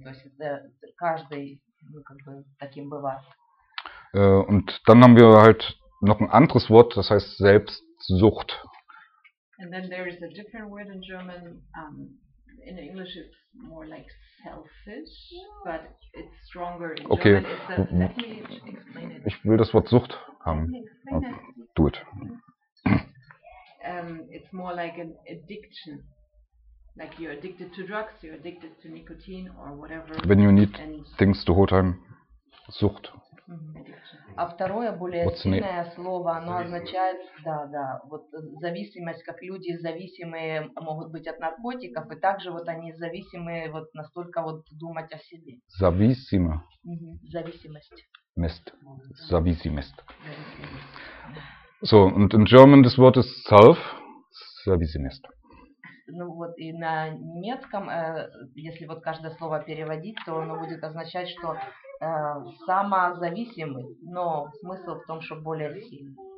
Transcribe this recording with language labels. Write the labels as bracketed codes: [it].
[ru] То есть это каждый, ну, как бы таким бывает. [de] Und dann haben wir halt noch ein anderes Wort, das heißt Selbstsucht. [en] And then there is a different word in German. In English it's more like selfish, but it's stronger in German. Okay. Let me explain it. [de] Ich will das Wort Sucht haben. [en] Do it. It's more like an addiction. Like you're addicted to drugs, you're addicted to nicotine or whatever. When you need things the whole time. [de] Sucht. [ru] А второе, более сильное слово, оно означает, да, вот зависимость, как люди зависимые могут быть от наркотиков, и также вот они зависимые вот настолько вот думать о себе. Зависимо. Зависимость. Мест. Зависимость. [en] So, and in German this word is self. [ru] Зависимость. Ну вот, и на немецком, если вот каждое слово переводить, то оно будет означать, что самозависимый, но смысл в том, что более сильный.